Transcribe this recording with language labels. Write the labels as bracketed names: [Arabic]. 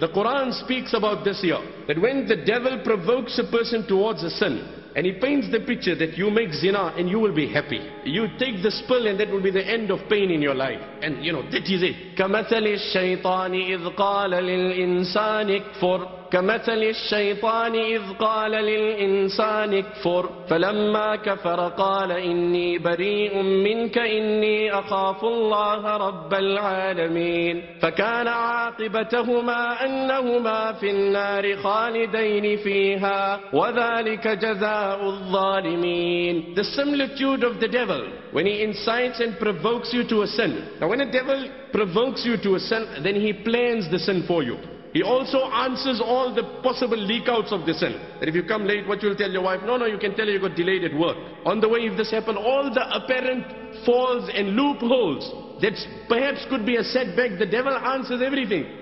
[English] The Quran speaks about this here. That when the devil provokes a person towards a sin, and he paints the picture that you make zina and you will be happy. You take this pill and that will be the end of pain in your life. And you know, that is it. [Arabic] كَمَثَلِ الشَّيْطَانِ إِذْ قَالَ لِلْإِنسَانِ اكْفُرْ كمثل الشيطان إذ قال للإنسان اكفر فلما كفر قال إني بريء منك إني أخاف الله رب العالمين فكان عاقبتهما أنهما في النار خالدين فيها وذلك جزاء الظالمين. [English] The similitude of the devil when he incites and provokes you to a sin. Now when a devil provokes you to a sin, then he plans the sin for you. He also answers all the possible leak outs of the sin. That if you come late, what you'll tell your wife? No, you can tell her you got delayed at work. On the way, if this happened, all the apparent falls and loopholes that perhaps could be a setback, the devil answers everything.